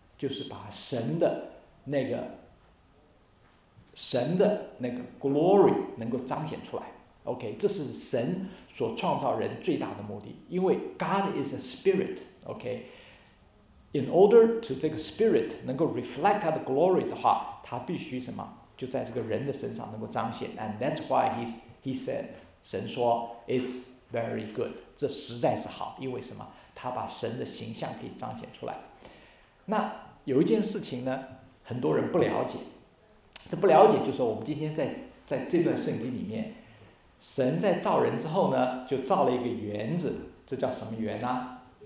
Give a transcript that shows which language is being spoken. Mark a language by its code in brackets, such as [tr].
[zh] 就是把神的那个神的那个 glory 能够彰显出来。 OK， 这是神所创造人最大的目的。因为 [en] God is a spirit， OK， in order to 这个 spirit 能够 reflect 他的 glory 的话， [zh] 他必须什么？就在这个人的身上能够彰显。 [en] And that's why he said， [zh] 神说 [en] it's very good， [zh] 这实在是好。因为什么？他把神的形象可以彰显出来。那有一件事情呢，很多人不了解，这不了解就是说，我们今天在这段圣经里面，神在造人之后呢，就造了一个园子，这叫什么园呢？